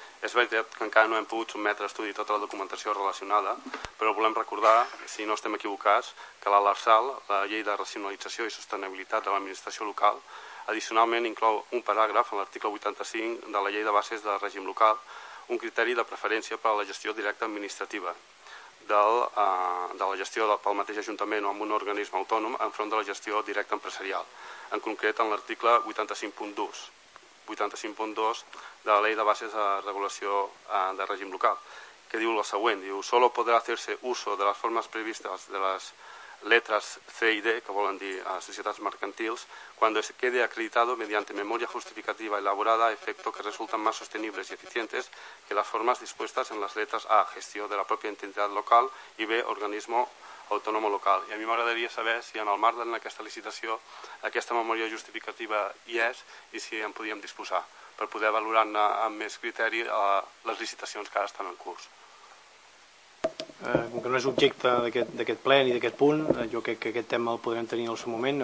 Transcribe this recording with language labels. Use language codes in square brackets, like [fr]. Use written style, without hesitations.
[ca] És veritat que encara no hem pogut sotmetre a estudi tota la documentació relacionada, però volem recordar, si no estem equivocats, que l'LRSAL, la Llei de Racionalització i Sostenibilitat de l'Administració Local, addicionalment inclou un paràgraf en l'article 85 de la Llei de Bases de Règim Local, un criteri de preferència per a la gestió directa administrativa de la gestió pel mateix ajuntament o amb un organisme autònom enfront de la gestió directa empresarial, en concret en l'article 85.2. [es] 85.2 de la Ley de Bases de Regulació de Règim Local, [ca] que diu el següent, diu, [es] solo podrá hacerse uso de las formas previstas de las letras C y D, [ca] que volen dir societats mercantils, [es] cuando se quede acreditado mediante memoria justificativa elaborada a efecto que resultan más sostenibles y eficientes que las formas dispuestas en las letras A, [ca] gestió de la pròpia entitat local, [es] i B, organismo autònomo local. [ca] I a mi m'agradaria saber si en el marc d'aquesta licitació aquesta memòria justificativa hi és i si en podíem disposar per poder valorar amb més criteri les licitacions que ara estan en curs. Com que no és objecte d'aquest ple ni d'aquest punt, jo crec que aquest tema el podrem tenir en el seu moment.